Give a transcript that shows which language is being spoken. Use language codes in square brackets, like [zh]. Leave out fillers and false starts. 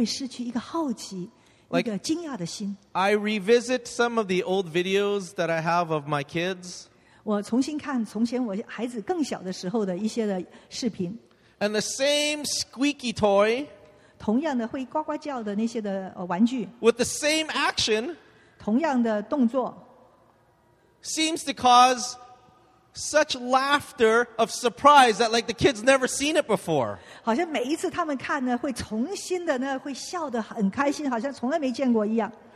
[zh] 其中一个就是小孩子永远不会失去一个好奇,一个惊讶的心。 [en] I revisit some of the old videos that I have of my kids. [zh] 我重新看从前我孩子更小的时候的一些的视频。 [en] And the same squeaky toy [zh] 同样的会呱呱叫的那些的玩具 [en] with the same action [zh] 同样的动作 [en] seems to cause such laughter of surprise that like the kids never seen it before. [zh] 好像每一次他们看呢会重新的呢会笑得很开心好像从来没见过一样。